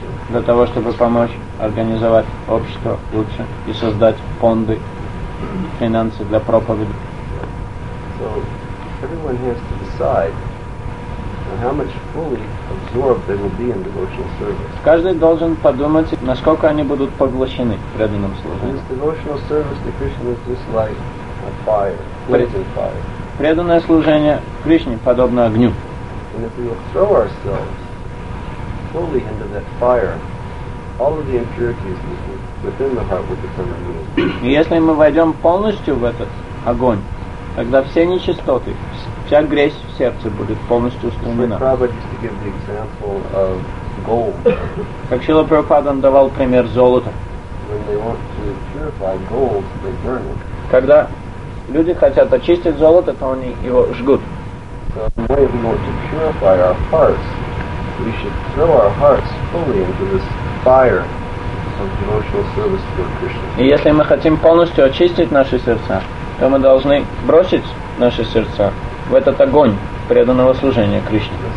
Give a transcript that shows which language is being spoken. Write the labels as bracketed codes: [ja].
[ru] Для того, чтобы помочь организовать общество лучше и создать фонды, финансы для проповеди. [en] So everyone has to decide how much fully absorbed they will be in devotional service. [ru] Каждый должен подумать, насколько они будут поглощены в преданном служении. [en] In devotional service, the Krishna is just like a fire, blazing fire. [ru] Преданное служение Кришне подобно огню. [en] And if we will throw ourselves fully into that fire, all of the impurities within the heart will become removed. [ru] Если мы войдем полностью в этот огонь, тогда все нечистоты, вся грязь в сердце будет полностью устранена. [en] Prabhupada used to give the example of gold. [ru] Как Шрила Прабхупада давал пример золота. [en] When they want to purify gold, they burn it. [ru] Когда люди хотят очистить золото, то они его жгут. [en] So if we want to purify our hearts, we should throw our hearts fully into this fire of devotional service to Krishna. [ru] И если мы хотим полностью очистить наши сердца, то мы должны бросить наши сердца в этот огонь преданного служения Кришне.